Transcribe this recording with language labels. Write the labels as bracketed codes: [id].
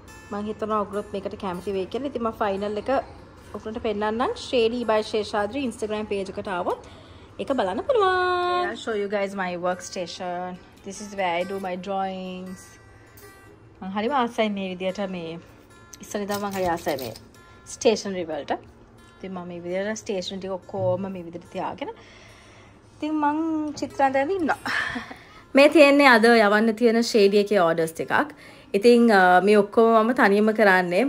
[si] මං හිතනවා ඔගලොත් මේකට කැමති වෙයි කියලා. ඉතින් මම ෆයිනල් එක ඔගලොන්ට පෙන්නන්නම්. ශ්‍රේණි බයි ශේෂාද්‍රි ඉන්ස්ටාග්‍රෑම් පේජ් එකට ආවොත් ඒක බලන්න පුළුවන්. [en] I'll show you guys my workstation. This is where I do my drawings. [si] මං හරිම ආසයි මේ විදියට මේ ඉස්සරහින්දා මං හරි ආසයි මේ ස්ටේෂනරි වලට. ඉතින් මම මේ විදියට ස්ටේෂනරි ටික ඔක්කොම මේ විදියට තියාගෙන ඉතින් මං චිත්‍රාන්තයෙන් ඉන්නවා. මේ තියෙන්නේ අද යවන්න තියෙන ෂේඩි එකේ ඕඩර්ස් ටිකක්. ඉතින් මේ ඔක්කොම මම තනියම කරන්නේ.